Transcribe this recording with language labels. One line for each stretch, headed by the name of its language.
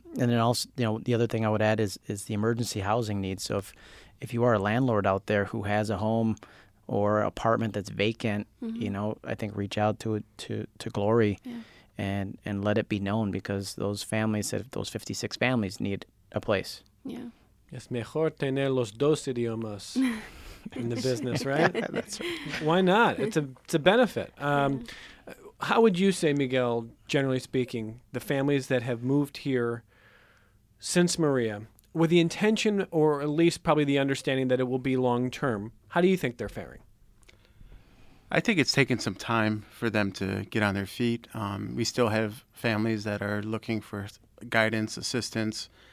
English: And then also, you know, the other thing I would add is the emergency housing needs. So if you are a landlord out there who has a home or apartment that's vacant, you know, I think reach out to Glory and let it be known, because those families, those 56 families need a place. Yeah.
Spanish: Es mejor tener los dos idiomas
English: in the business, right? That's right. Why not? It's a benefit. How would you say, Miguel, generally speaking, the families that have moved here since Maria, with the intention or at least probably the understanding that it will be long term, how do you think they're faring? I think it's taken some time for them to get on their feet. We still have families that are looking for guidance, assistance.